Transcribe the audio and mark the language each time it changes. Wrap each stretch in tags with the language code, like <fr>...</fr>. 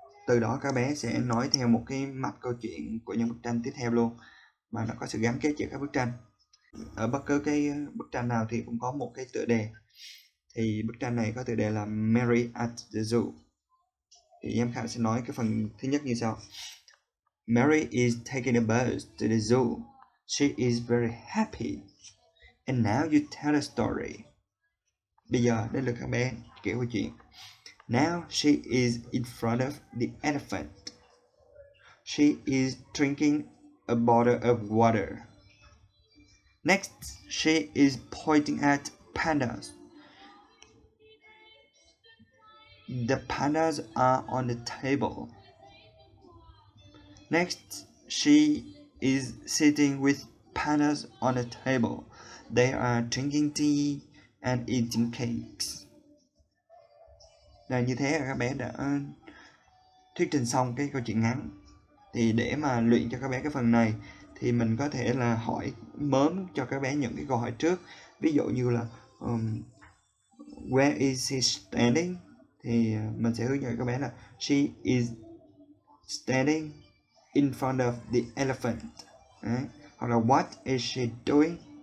<vi>Từ đó các bé sẽ nói theo một cái mạch câu chuyện của những bức tranh tiếp theo luôn, mà nó có sự gắn kết giữa các bức tranh. Ở bất cứ cái bức tranh nào thì cũng có một cái tựa đề. Thì bức tranh này có tựa đề là Mary at the Zoo. Thì giám khảo sẽ nói cái phần thứ nhất như sau.</vi> <en>Mary is taking a bus to the zoo. She is very happy. And now you tell a story.</en> <vi>Bây giờ đến lượt các bé kể câu chuyện.</vi> <en>Now she is in front of the elephant. She is drinking a bottle of water. Next, she is pointing at pandas. The pandas are on the table. Next, she is sitting with pandas on the table. They are drinking tea and eating cakes.</en> <vi>Là như thế là các bé đã thuyết trình xong cái câu chuyện ngắn. Thì để mà luyện cho các bé cái phần này thì mình có thể là hỏi mớm cho các bé những cái câu hỏi trước. Ví dụ như là</vi> <en>where is she standing?</en> <vi>Thì mình sẽ hướng dẫn các bé là</vi> <en>she is standing in front of the elephant.</en> <vi>Đấy. Hoặc là</vi> <en>what is she doing?</en>